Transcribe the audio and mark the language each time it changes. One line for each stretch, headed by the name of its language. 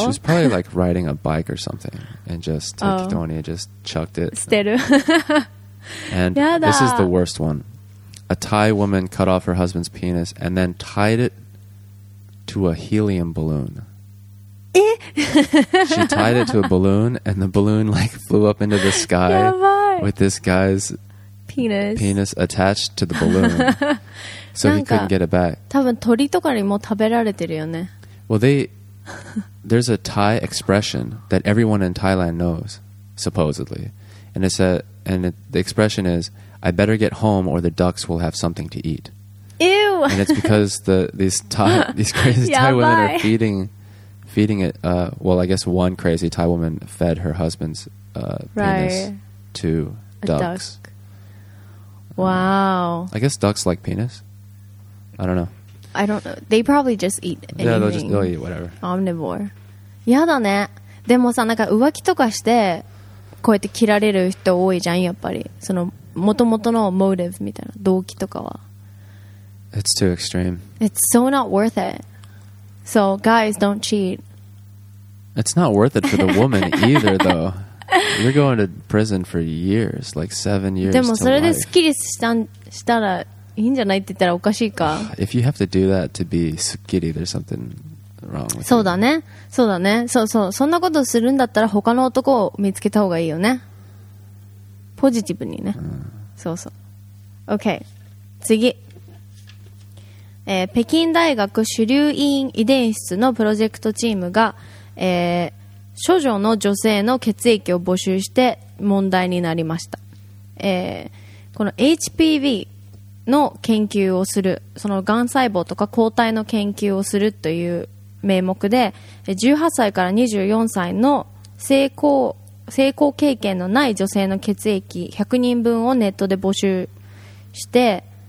English: She's probably like riding a bike or something and just Tony just chucked it.
Japanese: 捨てる。
English: And this is the worst one. A Thai woman cut off her husband's penis and then tied it to a helium balloon.
Japanese: え？
English: She tied it to a balloon and the balloon like flew up into the sky with this guy'spenis attached to the balloon so he couldn't get it back.
Japanese: 多分鳥とかにも食べられてるよね。
English: Well, there's a Thai expression that everyone in Thailand knows, supposedly. And it's the expression is, I better get home or the ducks will have something to eat. Ew! And it's because these crazy Thai women are feeding it. Well, I guess one crazy Thai woman fed her husband's penis to ducks. Wow. I guess ducks like penis. I don't know. I don't know. They probably just eat anything. Yeah, they'll eat whatever.
Japanese: Omnivore. やだね。でもさ、なんか浮気とかしてこうやって切られる人多いじゃん、やっぱり。その元々のモーティブみたいな、動機とかは。
English: It's too extreme. It's so not worth it. So, guys, don't cheat. It's not worth it for the woman either, though. You're going to prison for years, like 7 years.
Japanese: でもそれでスッキリしたらいいんじゃないって言ったらおかしいか。
English: If you have to do that to be
Japanese: スッキリ,
English: there's something wrong with
Japanese: you. そうだね、そうだね、そうそう、そんなことするんだったら他の男を見つけた方がいいよね。ポジティブにね。そうそう。OK、次。北京大学主流院遺伝室のプロジェクトチームが、処女の女性の血液を募集して問題になりました、この HPV の研究をする、そのがん細胞とか抗体の研究をするという名目で18歳から24歳の性交経験のない女性の血液100人分をネットで募集して、